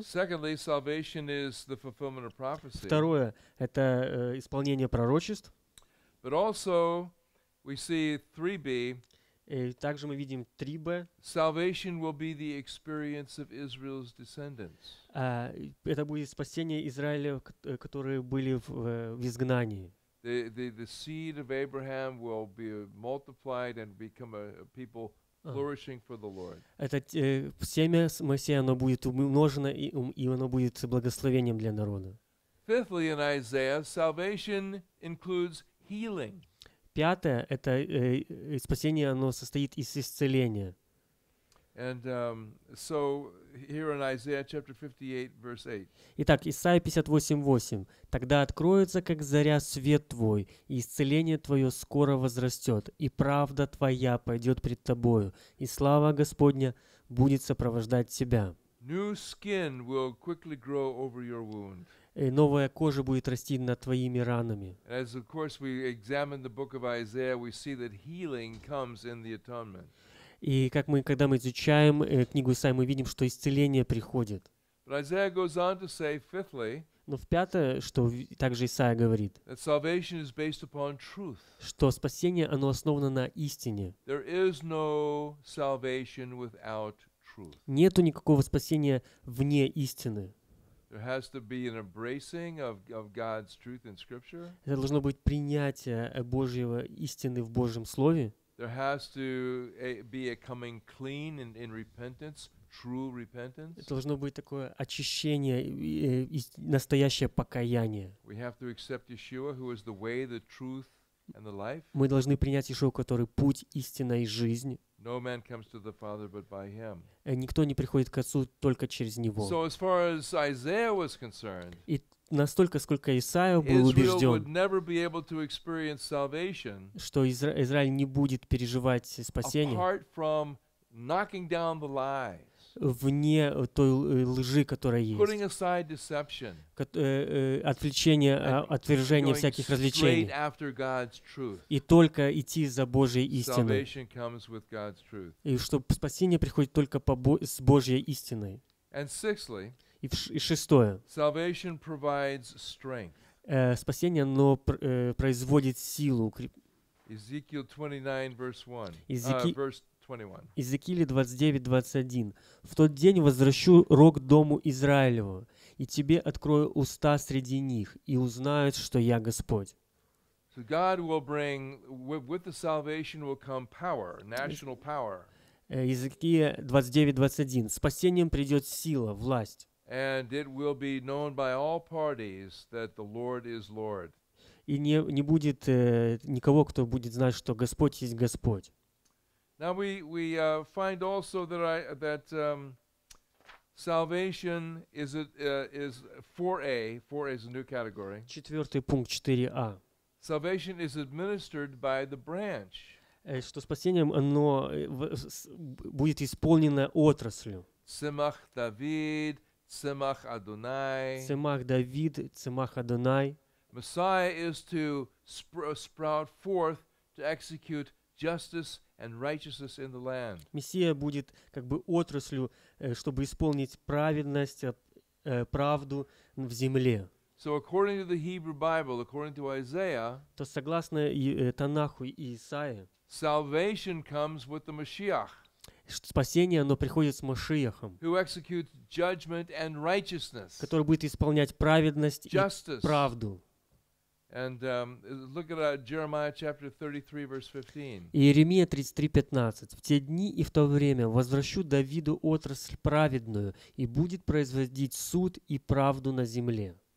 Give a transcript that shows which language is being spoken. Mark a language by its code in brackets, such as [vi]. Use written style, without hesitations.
[en] Secondly, salvation is the fulfillment of prophecy. [ru] Второе — это исполнение пророчеств. [en] But also, we see 3b. [ru] И также мы видим 3b. [en] Salvation will be the experience of Israel's descendants. [ru] Это будет спасение Израиля, которые были в изгнании. [en] The seed of Abraham will be multiplied and become a people flourishing for the Lord. [ru] Это семя Моисея, оно будет умножено и оно будет благословением для народа. [en] Fifthly, in Isaiah, salvation includes healing. [ru] Пятое, это спасение, оно состоит из исцеления. [en] And so here in Isaiah chapter 58, verse 8. [ru] Итак, Исаия 58:8. Тогда откроется, как заря, свет твой, и исцеление твое скоро возрастет, и правда твоя пойдет пред тобою, и слава Господня будет сопровождать тебя. [en] New skin will quickly grow over your wound. [ru] И новая кожа будет расти над твоими ранами. [en] As of course we examine the book of Isaiah, we see that healing comes in the atonement. [ru] И как мы, когда мы изучаем книгу Исаии, мы видим, что исцеление приходит. [en] Say, fifthly, [ru] но в пятое, что также Исаия говорит, что спасение, оно основано на истине. [en] No, [ru] нету никакого спасения вне истины. Это должно быть принятие Божьего истины в Божьем Слове. [en] There has to be a coming clean in repentance, true repentance. [ru] Это должно быть такое очищение и настоящее покаяние. [en] We have to accept Yeshua, who is the way, the truth, and the life. [ru] Мы должны принять Иешуа, который путь, истина и жизнь. [en] No man comes to the Father but by him. [ru] Никто не приходит к Отцу только через Него. [en] So as far as Isaiah was concerned, [ru] и настолько, сколько Исаия был убежден, [en] Israel would never be able to experience salvation, [ru] что Израиль не будет переживать спасение, [en] apart from knocking down the lies, [ru] вне той лжи, которая есть, отвлечение, отвержение всяких развлечений, и только идти за Божьей истиной, и что спасение приходит только с Божьей истиной. [en] And sixthly, [ru] и шестое. [en] Salvation provides strength. [ru] Спасение, оно производит силу. [en] Ezekiel 29, verse 1. Verse 21. [ru] Иезекииле 29:21. «В тот день возвращу рог дому Израилеву, и тебе открою уста среди них, и узнают, что я Господь». [en] So God will bring, with the salvation will come power, national power. [ru] Иезекииле 29:21. «Спасением придет сила, власть». [en] And it will be known by all parties that the Lord is Lord. [ru] И не будет никого, кто будет знать, что Господь есть Господь. [en] Now we find also that salvation is 4A. 4A is a new category. [ru] Четвертый пункт 4A. [en] Salvation is administered by the branch. [ru] Что спасением оно будет исполнено отраслью. [he] Цимах Давид. Цимах Адонай. Цимах Давид, Цимах Адонай. [en] Messiah is to sprout forth to execute justice and righteousness in the land. [ru] Мессия будет как бы отраслью, чтобы исполнить праведность, правду в земле. [en] So according to the Hebrew Bible, according to Isaiah, [ru] то согласно Танаху и Исаии, [en] salvation comes with the Messiah. [ru] Спасение, оно приходит с Машиахом, который будет исполнять праведность [en] justice [ru] и правду. [en] And, look at Jeremiah chapter 33, verse 15. [ru] Иеремия 33:15. «В те дни и в то время возвращу Давиду отрасль праведную, и будет производить суд и правду на земле».